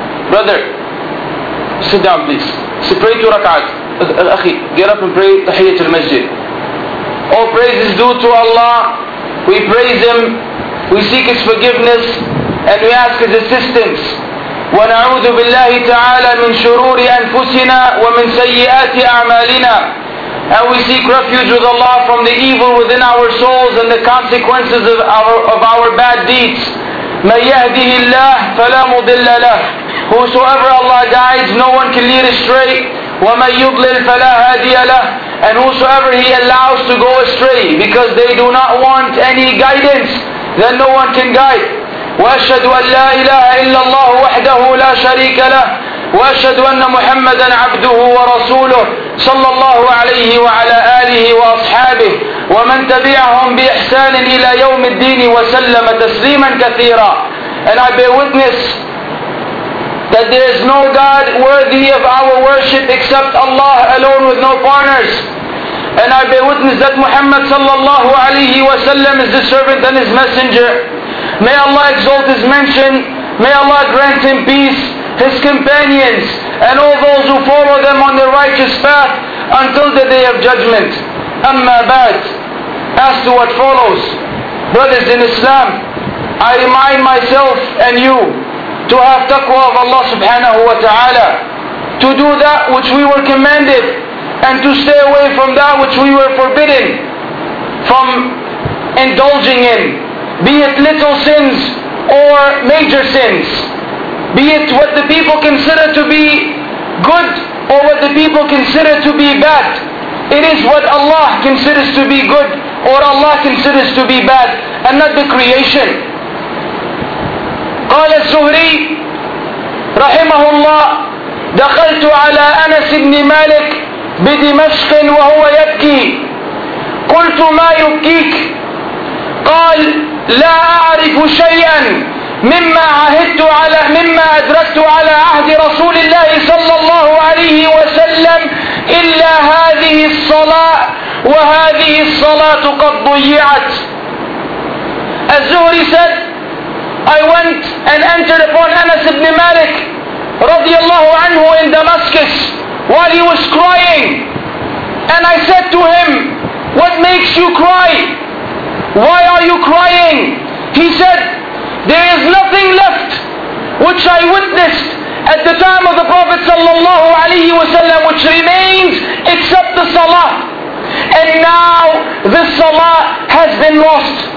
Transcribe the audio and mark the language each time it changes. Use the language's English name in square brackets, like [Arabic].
[English] Brother, sit down please. Pray two rak'at. أخي, get up and pray تحية المسجد. All praise is due to Allah. We praise Him. We seek His forgiveness and we ask His assistance. [Arabic] ونعوذ بالله تعالى من شرور أنفسنا ومن سيئات أعمالنا. [English] And we seek refuge with Allah from the evil within our souls and the consequences of our bad deeds. [Arabic] مَنْ يَهْدِهِ اللَّهِ فَلَا مُضِلَّ لَهِ. [English] Whosoever Allah guides, no one can lead astray. [Arabic] وَمَنْ يُضْلِلْ فَلَا هَادِيَ لَهِ. [English] And whosoever He allows to go astray because they do not want any guidance, then no one can guide. [Arabic] وَأَشْهَدُ أَنْ لَا إِلَهَ إِلَّا اللَّهُ وَحْدَهُ لَا شَرِيكَ لَهِ. وأشهد أن محمدا عبده ورسوله صلى الله عليه وعلى آله وأصحابه ومن تبعهم بإحسان إلى يوم الدين وسلم تسليما كثيرا. [English] And I bear witness that there is no God worthy of our worship except Allah alone with no partners. And I bear witness that Muhammad [Arabic] صلى الله عليه وسلم [English] is the servant and his messenger. May Allah exalt his mention, may Allah grant him peace, his companions, and all those who follow them on their righteous path until the day of judgment. Amma ba'd. As to what follows, brothers in Islam, I remind myself and you to have taqwa of Allah subhanahu wa ta'ala, to do that which we were commanded, and to stay away from that which we were forbidden from indulging in, be it little sins or major sins. Be it what the people consider to be good or what the people consider to be bad, it is what Allah considers to be good or Allah considers to be bad, and not the creation. [Arabic] قال الزهري رحمه الله دخلت على أنس بن مالك بدمشق وهو يبكي قلت ما يبكيك قال لا أعرف شيئا مما عهدت على مما أدركت على عهد رسول الله صلى الله عليه وسلم إلا هذه الصلاة وهذه الصلاة قد ضيعت. [English] الزهري said, I went and entered upon Anas ibn Malik رضي الله عنه in Damascus while he was crying, and I said to him, what makes you cry? Why are you crying? He said, there is nothing left which I witnessed at the time of the Prophet sallallahu alaihi wasallam which remains except the salah, and now the salah has been lost.